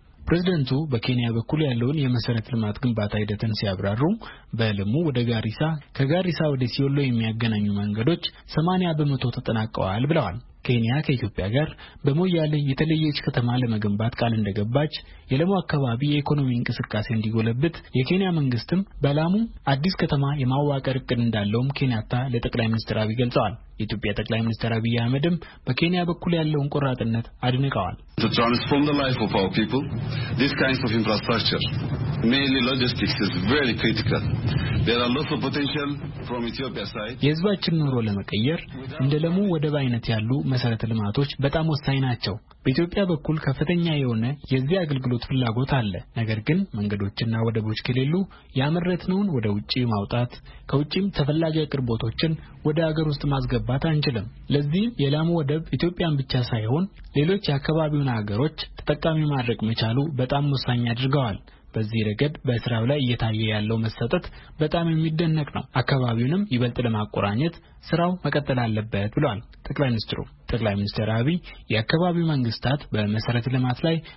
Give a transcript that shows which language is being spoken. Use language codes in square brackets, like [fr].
[am] ፕሬዝዳንቱ በኬንያ በኩል ያለውን የመሰረት ልማት ግንባታ ሂደትን ሲያብራሩ በለሙ ወደ ጋሪሳ ከጋሪሳ ወደ ሲወሎ የሚያገናኙ መንገዶች 80% ተጠናቀዋል ብለዋል። ኬንያ ከኢትዮጵያ ጋር በሞያሌ የተለየች ከተማ ለመገንባት ቃል እንደገባች የለሙ አካባቢ የኢኮኖሚ እንቅስቃሴ እንዲጎለብት የኬንያ መንግስትም በላሙ አዲስ ከተማ የማዋቀር እቅድ እንዳለውም ኬንያታ ለጠቅላይ ሚኒስትር አብይ ገልጸዋል። የኢትዮጵያ ጠቅላይ ሚኒስትር አብይ አህመድም በኬንያ በኩል ያለውን ቆራጥነት አድንቀዋል። [en] To transform the life of our people, this kind of infrastructure, mainly logistics, is very critical. There are lots of potential from Ethiopia's side. [am] የህዝባችን ኑሮ ለመቀየር እንደ ለሙ ወደብ አይነት ያሉ መሰረተ ልማቶች በጣም ወሳኝ ናቸው። በኢትዮጵያ በኩል ከፍተኛ የሆነ የዚህ አገልግሎት ፍላጎት አለ። ነገር ግን መንገዶችና ወደቦች ከሌሉ ያመረትነውን ወደ ውጪ ማውጣት፣ ከውጪም ተፈላጊ አቅርቦቶችን ወደ ሀገር ውስጥ ማስገባት አንችልም። ለዚህ የላሙ ወደብ ኢትዮጵያን ብቻ ሳይሆን ሌሎች አካባቢውን ሀገሮች ተጠቃሚ ማድረግ መቻሉ በጣም ወሳኝ አድርገዋል። በዚህ ረገድ በእስራኤል ላይ እየታየ ያለው መሰጠት በጣም የሚደነቅ ነው። አካባቢውንም ይበልጥ ለማቆራኘት ስራው መቀጠል አለበት ብሏል ጠቅላይ ሚኒስትሩ። ጠቅላይ ሚኒስትር አብይ የአካባቢው መንግስታት በመሰረተ ልማት ላይ